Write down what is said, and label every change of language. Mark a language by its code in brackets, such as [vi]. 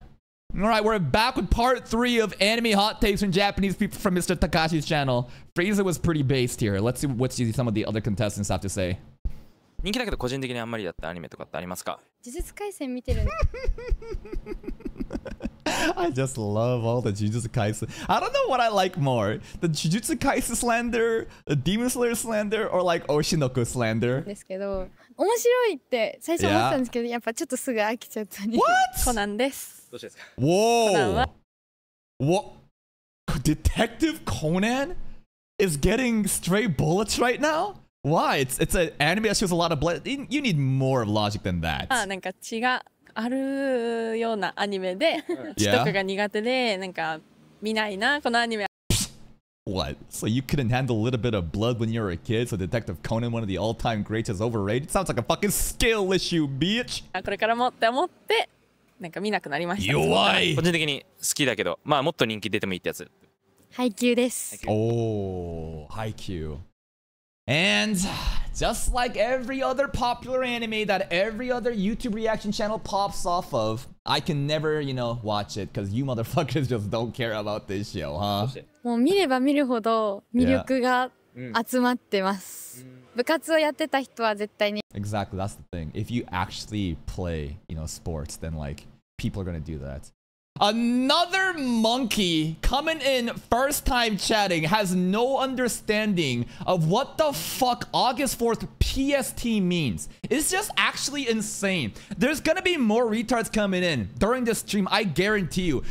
[en] All right, we're back with part three of anime hot takes from Japanese people from Mr. Takashii's channel. Frieza was pretty based here. Let's see what some of the other contestants have to say. [ja] 人気だけど個人的にあんまりだったアニメとかってありますか？呪術廻戦見てるの。 [en] I just love all the Jujutsu Kaisen. I don't know what I like more. The Jujutsu Kaisen slander, the Demon Slayer slander, or like Oshinoku slander. [ja] ですけど、面白いって最初思ったんですけど、やっぱちょっとすぐ飽きちゃったね。 [en] What? [ja] コナンです。どうしてですか? [en] Whoa! What? Detective Conan is getting stray bullets right now? Why? It's an anime that shows a lot of blood. You need more logic than that. [ja] あ、なんか血があるようなアニメで血とかが苦手でなんか見ないなこのアニメ。 [en] What? So you couldn't handle a little bit of blood when you were a kid? So Detective Conan, one of the all-time greats, is overrated? Sounds like a fucking skill issue, bitch! [ja] これからもって思ってなんか見なくなりました。弱い。個人的に好きだけど、まあもっと人気出てもいいってやつ。ハイキューです。おー、ハイキュー。 [en] And just like every other popular anime that every other YouTube reaction channel pops off of, I can never, you know, watch it because you motherfuckers just don't care about this show, huh? [ja] もう見れば見るほど魅力が集まってます。部活をやってた人は絶対に。 [en] Exactly, that's the thing. If you actually play, you know, sports, then like, people are gonna do that. Another monkey coming in first time chatting has no understanding of what the fuck August 4th PST means. It's just actually insane. There's gonna be more retards coming in during this stream, I guarantee you.